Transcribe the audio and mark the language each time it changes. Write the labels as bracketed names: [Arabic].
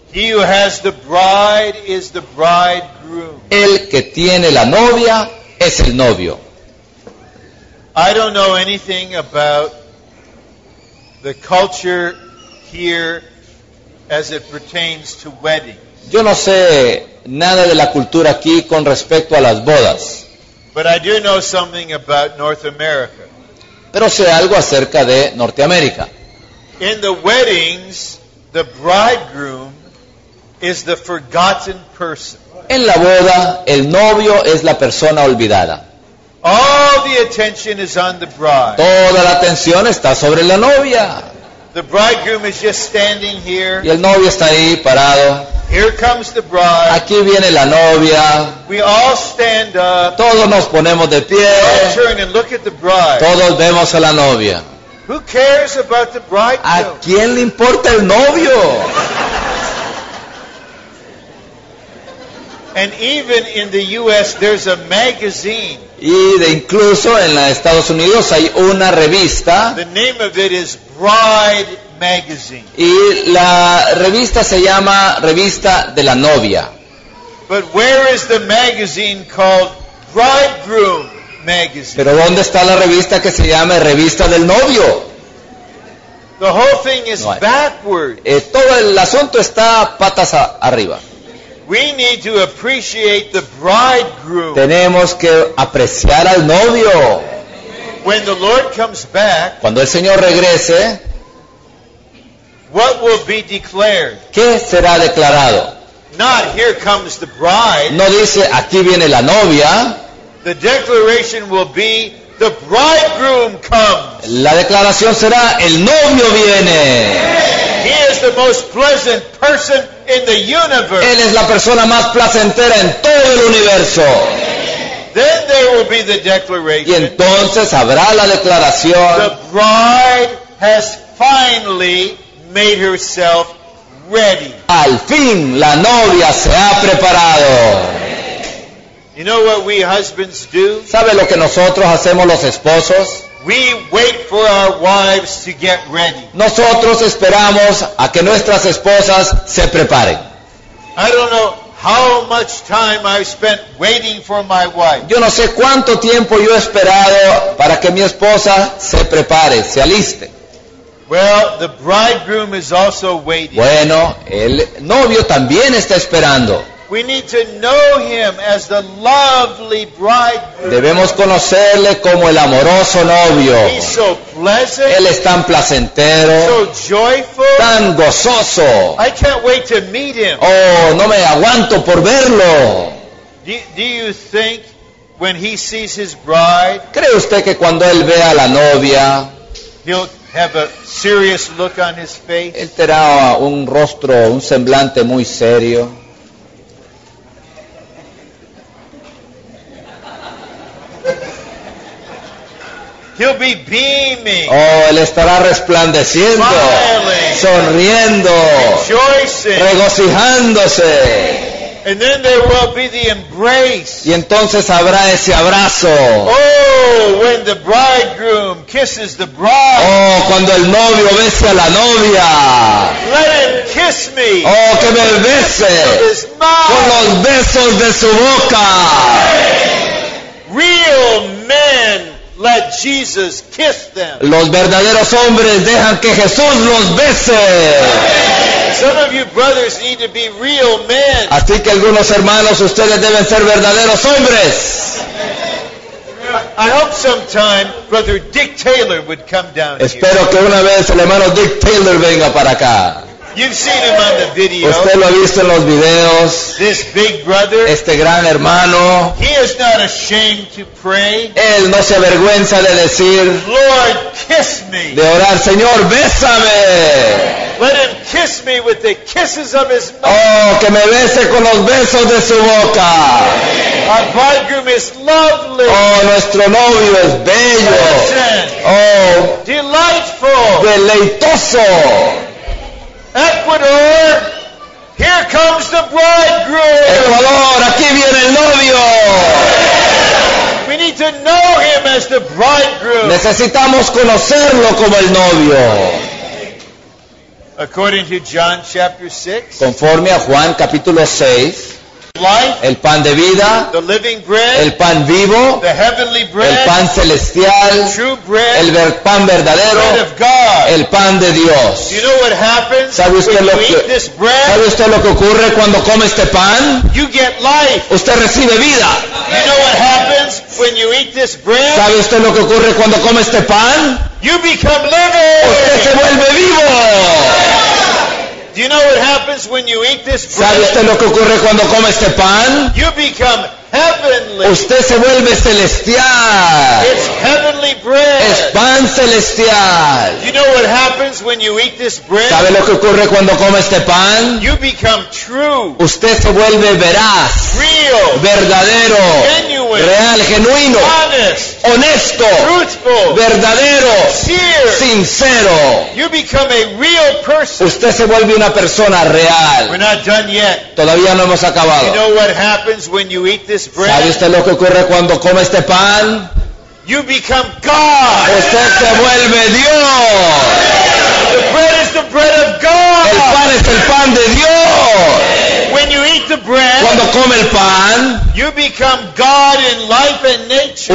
[English] He who has the bride is the bridegroom. [Spanish] El que tiene la novia es el novio. [English] I don't know anything about the culture here as it pertains to weddings. [Spanish] Yo no sé nada de la cultura aquí con respecto a las bodas. [English] But I do know something about North America. [Spanish] Pero sé algo acerca de Norteamérica. [English] In the weddings, the bridegroom is the forgotten person. [Spanish] En la boda, el novio es la persona olvidada. [English] All the attention is on the bride. [Spanish] Toda la atención está sobre la novia. [English] The bridegroom is just standing here. [Spanish] Y el novio está ahí parado. [English] Here comes the bride. [Spanish] Aquí viene la novia. [English] We all stand up. [Spanish] Todos nos ponemos de pie. [English] We all turn and look at the bride. [Spanish] Todos vemos a la novia. [English] Who cares about the bridegroom? [Spanish] ¿A quién le importa el novio? [English] And even in the U.S., there's a magazine. [Spanish] Y de incluso en los Estados Unidos hay una revista. [English] The name of it is Bride Magazine. [Spanish] Y la revista se llama Revista de la Novia. [English] But where is the magazine called Bridegroom Magazine? [Spanish] Pero ¿dónde está la revista que se llama Revista del Novio? [English] The whole thing is backwards. [Spanish] Todo el asunto está patas arriba. [English] We need to appreciate the bridegroom. [Spanish] Tenemos que apreciar al novio. [English] When the Lord comes back, [Spanish] cuando el Señor regrese, [English] what will be declared? [Spanish] ¿Qué será declarado? [English] Not here comes the bride. [Spanish] No dice aquí viene la novia. [English] The declaration will be the bridegroom comes. [Spanish] La declaración será el novio viene. [English] He is the most pleasant person in the universe. [Spanish] Él es la persona más placentera en todo el universo. [English] Then there will be the declaration. [Spanish] Y entonces habrá la declaración. [English] The bride has finally made herself ready. [Spanish] Al fin la novia se ha preparado. [English] You know what we husbands do? [Spanish] ¿Sabe lo que nosotros hacemos los esposos? [English] We wait for our wives to get ready. [Spanish] Nosotros esperamos a que nuestras esposas se preparen. [English] I don't know how much time I've spent waiting for my wife. [Spanish] Yo no sé cuánto tiempo yo he esperado para que mi esposa se prepare, se aliste. [English] Well, the bridegroom is also waiting. [Spanish] Bueno, el novio también está esperando. [English] We need to know him as the lovely bridegroom. [Spanish] Debemos conocerle como el amoroso novio. [English] He's so pleasant. [Spanish] Él es tan placentero. [English] So joyful. [Spanish] Tan gozoso. [English] I can't wait to meet him. [Spanish] Oh, no me aguanto por verlo. [English] Do you think when he sees his bride? [Spanish] ¿Cree usted que cuando él vea a la novia, [English] he'll have a serious look on his face? [Spanish] Él tendrá un rostro, un semblante muy serio. [English] He'll be beaming. [Spanish] Oh, él estará resplandeciendo, [English] smiling, [Spanish] sonriendo, [English] rejoicing, [Spanish] regocijándose. [English] And then there will be the embrace. [Spanish] Y entonces habrá ese abrazo. [English] Oh, when the bridegroom kisses the bride. [Spanish] Oh, cuando el novio bese a la novia. [English] Let him kiss me. [Spanish] Oh, que me bese con los besos de su boca. [English] Real men. Let Jesus kiss them. [Spanish] Los verdaderos hombres dejan que Jesús los bese. [English] Some of you brothers need to be real men. [Spanish] Así que algunos hermanos, ustedes deben ser verdaderos hombres. [English] I hope sometime Brother Dick Taylor would come down. [Spanish] Espero [English] here. [Spanish] Que una vez el hermano Dick Taylor venga para acá. [English] You've seen him on the video. [Spanish] Usted lo ha visto en los videos. [English] This big brother, [Spanish] este gran hermano. [English] He is not ashamed to pray. [Spanish] Él no se avergüenza de decir. [English] Lord, kiss me. [Spanish] De orar, Señor, bésame. [English] Let him kiss me with the kisses of his mouth. [Spanish] Oh, que me bese con los besos de su boca. [English] Our bridegroom is lovely. [Spanish] Oh, nuestro novio es bello. [English] Present. Oh, delightful. [Spanish] Deleitoso. [English] Ecuador, here comes the bridegroom. [Spanish] Ecuador, aquí viene el novio. [English] We need to know him as the bridegroom. [Spanish] Necesitamos conocerlo como el novio. [English] According to John chapter 6. [Spanish] Conforme a Juan capítulo 6. [English] Life, [Spanish] el pan de vida. [English] The living bread, [Spanish] el pan vivo. [English] The heavenly bread, [Spanish] el pan celestial. [English] The true bread, [Spanish] el pan verdadero. [English] Bread of God. [Spanish] El pan de Dios. [English] You know what happens? [Spanish] ¿Sabe usted [English] when [Spanish] lo [English] you eat this bread? [Spanish] ¿Sabe usted lo que ocurre cuando come este pan? [English] You get life. [Spanish] Usted recibe vida. [English] You know what happens when you eat this bread? [Spanish] ¿Sabe usted lo que ocurre cuando come este pan? [English] You become living. [Spanish] Usted se vuelve vivo. [English] Do you know what happens when you eat this bread? [Spanish] ¿Sabe usted lo que ocurre cuando come este pan? [English] You become heavenly. [Spanish] Usted se vuelve celestial. [English] It's heavenly bread. [Spanish] Es pan celestial. [English] You know what happens when you eat this bread? [Spanish] ¿Sabe lo que ocurre cuando come este pan? [English] You become true. [Spanish] Usted se vuelve veraz. [English] Real. [Spanish] Verdadero. [English] Genuine. [Spanish] Real, genuino. [English] Honest. [Spanish] Honesto. [English] Truthful. [Spanish] Verdadero. [English] Sincere. [Spanish] Sincero. [English] You become a real person. [Spanish] Usted se vuelve una persona real. [English] We're not done yet. [Spanish] Todavía no hemos acabado. [English] You know what happens when you eat this bread? [Spanish] ¿Sabe usted lo que ocurre cuando come este pan? [English] You become God. [Spanish] Usted se vuelve Dios. [English] The bread is the bread of God. [Spanish] El pan es el pan de Dios. [English] When you eat the bread, [Spanish] cuando come el pan, [English] you become God in life and nature.